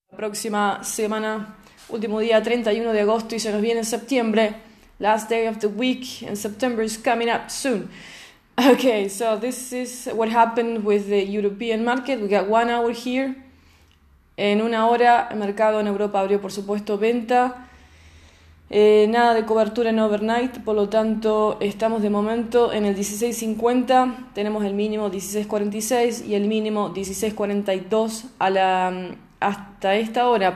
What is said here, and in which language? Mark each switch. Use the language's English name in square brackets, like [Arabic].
[Spanish] próxima semana, último día 31 de agosto y se nos viene septiembre. [English] Last day of the week and September is coming up soon. Okay, so this is what happened with the European market. We got 1 hour here. [Spanish] En 1 hora el mercado en Europa abrió, por supuesto, venta. Nada de cobertura en overnight, por lo tanto, estamos de momento en el 16.50. Tenemos el mínimo 16.46 y el mínimo 16.42 hasta esta hora.